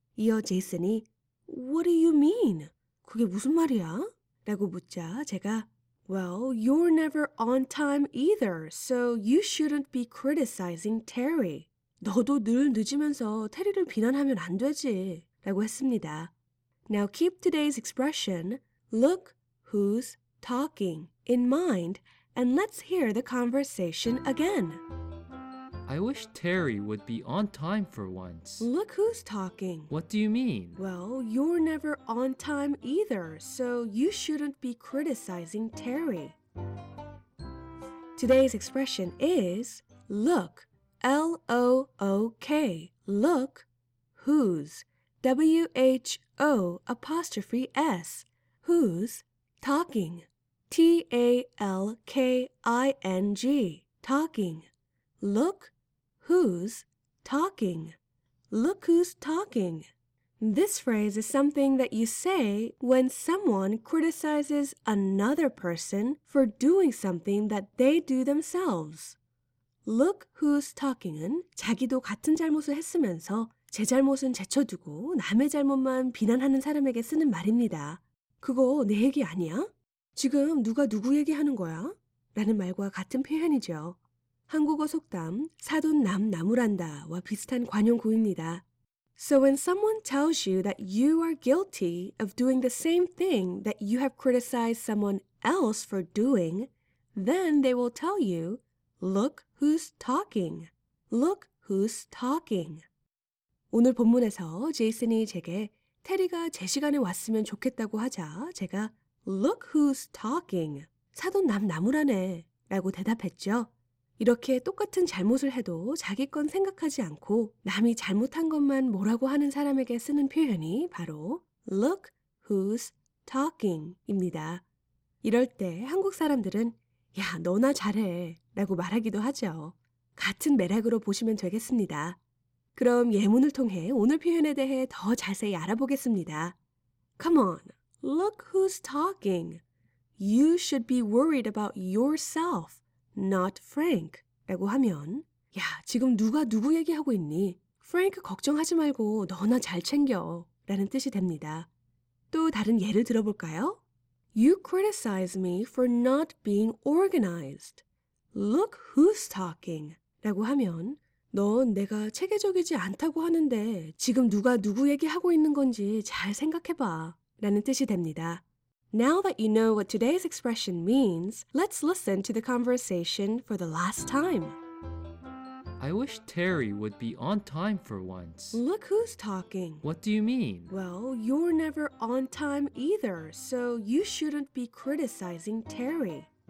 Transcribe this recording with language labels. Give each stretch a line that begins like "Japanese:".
Korean: 이어 제이슨이
English: What do you mean?
Korean: 그게 무슨 말이야? 라고 묻자 제가
English: Well, you're never on time either, so you shouldn't be criticizing Terry.
Korean: 너도 늘 늦으면서 테리를 비난하면 안 되지 라고 했습니다.
English: Now keep today's expression Look who's talking in mind, and let's hear the conversation again. I wish Terry would be on time for once. Look who's talking. What do you mean? Well, you're never on time either, so you shouldn't be criticizing Terry. Today's expression is look, L-O-O-K, look, who's, W-H-O apostrophe S, who's talking. T-A-L-K-I-N-G, talking. Look who's talking. Look who's talking. This phrase is something that you say when someone criticizes another person for doing something that they do themselves. Look who's talking은
Korean: 자기도 같은 잘못을 했으면서 제 잘못은 제쳐두고 남의 잘못만 비난하는 사람에게 쓰는 말입니다. 그거 내 얘기 아니야? 지금 누가 누구 얘기하는 거야? 라는 말과 같은 표현이죠. 한국어 속담 사돈 남 나무란다와 비슷한 관용구입니다.
English: So when someone tells you that you are guilty of doing the same thing that you have criticized someone else for doing, then they will tell you, look who's talking. Look who's talking.
Korean: 오늘 본문에서 제이슨이 제게 테리가 제 시간에 왔으면 좋겠다고 하자 제가
English: Look who's talking.
Korean: 사돈 남 나무라네 라고 대답했죠. 이렇게 똑같은 잘못을 해도 자기 건 생각하지 않고 남이 잘못한 것만 뭐라고 하는 사람에게 쓰는 표현이 바로
English: Look who's talking
Korean: 입니다. 이럴 때 한국 사람들은 야 너나 잘해 라고 말하기도 하죠. 같은 맥락으로 보시면 되겠습니다. 그럼 예문을 통해 오늘 표현에 대해 더 자세히 알아보겠습니다.
English: Come on, look who's talking. You should be worried about yourself, not Frank.
Korean: 라고 하면, 야, 지금 누가 누구 얘기하고 있니? Frank 걱정하지 말고 너나 잘 챙겨. 라는 뜻이 됩니다. 또 다른 예를 들어볼까요?
English: You criticize me for not being organized. Look who's talking.
Korean: 라고 하면, 넌 내가 체계적이지 않다고 하는데 지금 누가 누구 얘기하고 있는 건지 잘 생각해봐. 라는 뜻이 됩니다.
English: Now that you know what today's expression means, let's listen to the conversation for the last time. I wish Terry would be on time for once. Look who's talking. What do you mean? Well, you're never on time either, so you shouldn't be criticizing Terry.